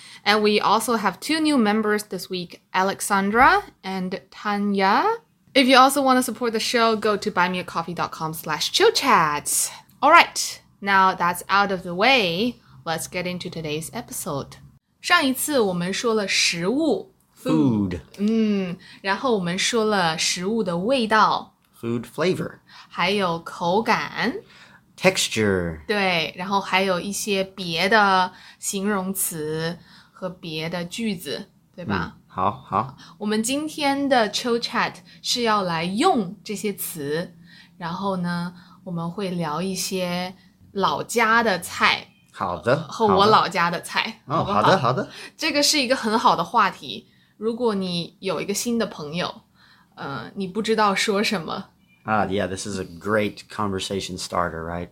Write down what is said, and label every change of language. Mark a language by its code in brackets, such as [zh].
[en] And we also have two new members this week, Alexandra and Tanya. If you also want to support the show, go to buymeacoffee.com/chillchats. All right, now that's out of the way, let's get into today's episode. [zh] 上一次我们说了食物 [en] food， [zh] 然后我们说了食物的味道 [en] food flavor， [zh] 还有口感 [en] texture， [zh] 对，然后还有一些别的形容词和别的句子，对吧？好好，我们今天的 chill chat 是要来用这些词，然后呢，我们会聊一些老家的菜。好的，和我老家的菜。哦，好的，好的。这个是一个很好的话题。如果你有一个新的朋友，你不知道说什么。 [en] Yeah, this is a great conversation starter, right?